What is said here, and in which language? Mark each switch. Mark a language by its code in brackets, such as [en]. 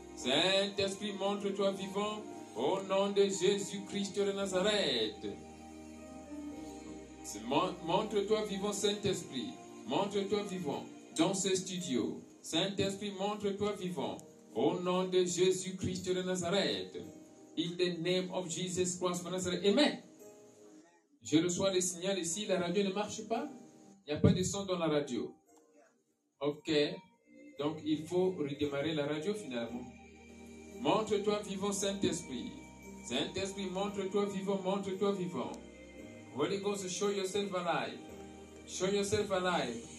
[fr] Saint-Esprit, montre-toi vivant au nom de Jésus-Christ de Nazareth. Montre-toi vivant, Saint-Esprit. Montre-toi vivant dans ce studio. Saint-Esprit, montre-toi vivant au nom de Jésus-Christ de Nazareth. [en] In the name of Jesus Christ of Nazareth. [fr] Amen. Je reçois le signal ici. La radio ne marche pas. Il n'y a pas de son dans la radio. Ok. Donc, il faut redémarrer la radio finalement. Montre-toi vivant, Saint-Esprit. Saint-Esprit, montre-toi vivant, montre-toi vivant. [en] Holy Ghost, show yourself alive. Show yourself alive.